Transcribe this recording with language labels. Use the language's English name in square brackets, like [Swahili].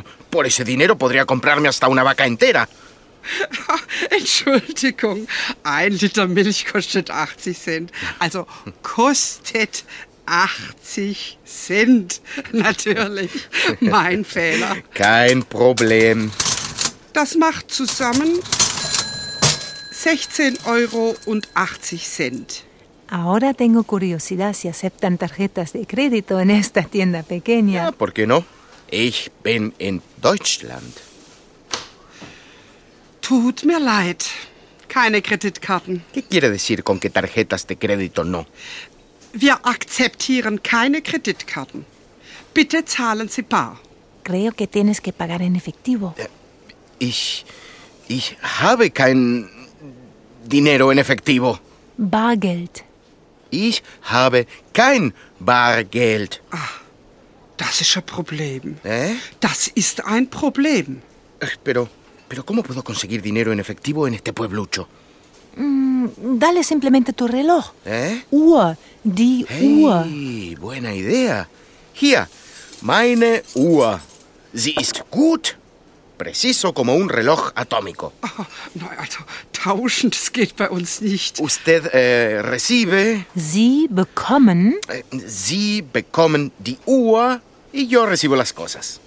[Spanish] Por ese dinero podría comprarme hasta una vaca entera. [German] Entschuldigung, 1 Liter Milch kostet 80 Cent. Also, kostet 80 Cent. Natürlich, mein Fehler. Kein Problem. Das macht zusammen 16,80 €. [Spanish] Ahora tengo curiosidad si aceptan tarjetas de crédito en esta tienda pequeña. [German] Ja, [Spanish] ¿por qué no? [German] Ich bin in Deutschland. Tut mir leid. Keine Kreditkarten. [Spanish] ¿Qué quiere decir con que tarjetas de crédito no? [German] Wir akzeptieren keine Kreditkarten. Bitte zahlen Sie bar. [Spanish] Creo que tienes que pagar en efectivo. [German] Ich habe kein [Spanish] dinero en efectivo. [German] Bargeld. Ich habe kein Bargeld. Ah, das ist ein Problem. ¿Eh? Das ist ein Problem. [Spanish] Pero ¿cómo puedo conseguir dinero en efectivo en este pueblucho? Dale simplemente tu reloj. ¿Eh? [German] Uhr, die Uhr. Hey, [Spanish] buena idea. [German] Hier, meine Uhr. Sie ist gut. [Spanish] Preciso como un reloj atómico. [German] Oh, no, also, tauschen, das geht bei uns nicht. [Spanish] Usted recibe... [German] Sie bekommen... Sie bekommen die Uhr [Spanish] y yo recibo las cosas.